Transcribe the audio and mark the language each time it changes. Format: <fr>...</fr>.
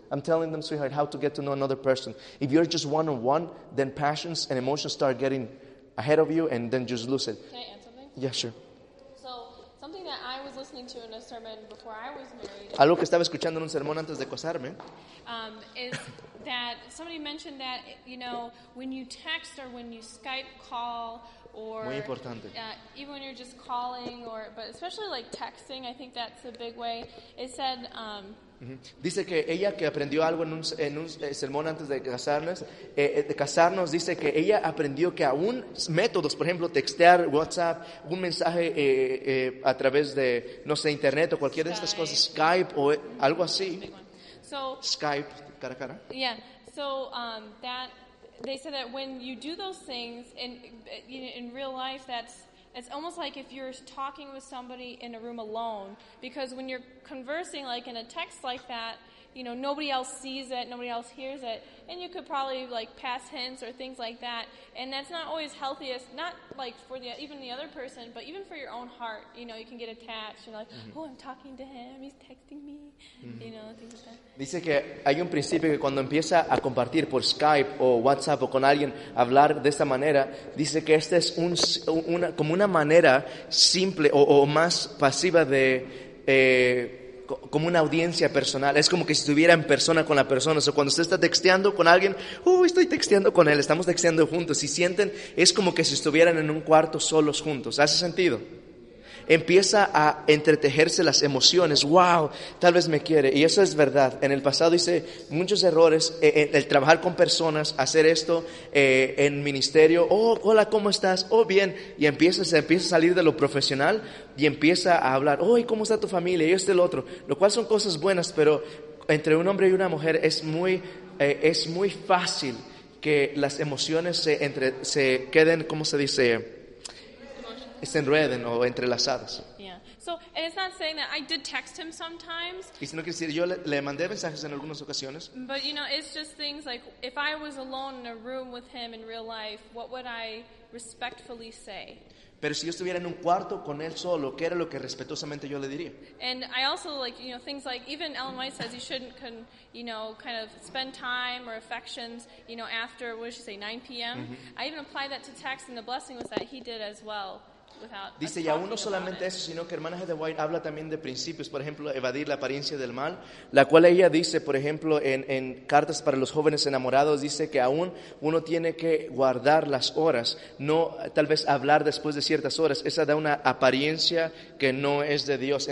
<en>I'm telling them, sweetheart, how to get to know another person. If you're just one-on-one, then passions and emotions start getting ahead of you, and then just lose it. Can I add something? Yeah, sure. So, something that I was listening to in a sermon before I was married.</en> <es>Algo que estaba escuchando en un sermón antes de casarme.</es> <en>Is that somebody mentioned that, you know, when you text or when you Skype call or...</en> <es>Muy importante.</es> <en>Even when you're just calling or... But especially like texting, I think that's a big way. It said...</en> <es>Dice que ella que aprendió algo en un sermón antes de casarnos, dice que ella aprendió que aún métodos, por ejemplo, textear, WhatsApp, un mensaje a través de, no sé, internet o cualquiera de estas cosas, Skype o algo así,</es> <en>so,</en> <es>Skype, cara a cara.</es> <en>Yeah, so that, they said that when you do those things in real life, that's... It's almost like if you're talking with somebody in a room alone, because when you're conversing like in a text like that, you know, nobody else sees it, nobody else hears it, and you could probably like pass hints or things like that, and that's not always healthiest, not like for the even the other person, but even for your own heart, you know, you can get attached and like, oh, I'm talking to him, he's texting me, you know, things like that.</en> <es>Dice que hay un principio que cuando empieza a compartir por Skype o WhatsApp o con alguien, hablar de esta manera, dice que esta es una manera simple o más pasiva de... como una audiencia personal, es como que si estuviera en persona con la persona, o sea, cuando usted está texteando con alguien, estoy texteando con él, estamos texteando juntos, y sienten, es como que si estuvieran en un cuarto solos juntos, ¿hace sentido? Empieza a entretejerse las emociones, wow, tal vez me quiere, y eso es verdad, en el pasado hice muchos errores, el trabajar con personas, hacer esto en ministerio, hola, ¿cómo estás? Bien, y empieza a salir de lo profesional, y empieza a hablar, ¿cómo está tu familia? Y este el otro, lo cual son cosas buenas, pero entre un hombre y una mujer es muy fácil que las emociones se queden, ¿cómo se dice?, se enreden o entrelazadas.</es> <en>Yeah. So, and it's not saying that I did text him sometimes.</en> <es>Y sino que decir, yo le mandé mensajes en algunas ocasiones.</es> <en>But you know, it's just things like if I was alone in a room with him in real life, what would I respectfully say?</en> <es>Pero si yo estuviera en un cuarto con él solo, ¿qué era lo que respetuosamente yo le diría?</es> <en>And I also like, you know, things like even Ellen White says you shouldn't kind of spend time or affections, you know, after what did she say 9 p.m. Mm-hmm. I even apply that to text, and the blessing was that he did as well.</en> <es>Dice, y aún no solamente eso, sino que hermana Heather White habla también de principios, por ejemplo, evadir la apariencia del mal, la cual ella dice, por ejemplo, en cartas para los jóvenes enamorados, dice que aún uno tiene que guardar las horas, no tal vez hablar después de ciertas horas, esa da una apariencia que no es de Dios.</es>